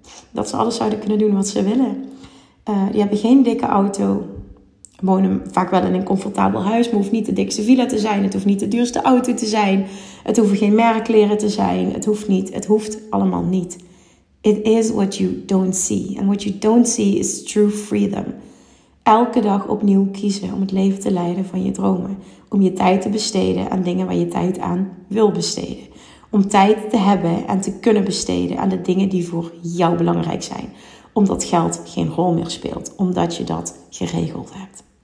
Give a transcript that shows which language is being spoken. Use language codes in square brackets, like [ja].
[nl] Dat ze alles zouden kunnen doen wat ze willen. Die hebben geen dikke auto. Wonen vaak wel in een comfortabel huis. Maar hoeft niet de dikste villa te zijn. Het hoeft niet de duurste auto te zijn. Het hoeven geen merkkleren te zijn. Het hoeft niet. Het hoeft allemaal niet. [en] It is what you don't see. And what you don't see is true freedom. [nl] Elke dag opnieuw kiezen om het leven te leiden van je dromen. Om je tijd te besteden aan dingen waar je tijd aan wil besteden. Om tijd te hebben en te kunnen besteden aan de dingen die voor jou belangrijk zijn. Omdat geld geen rol meer speelt. Omdat je dat geregeld hebt.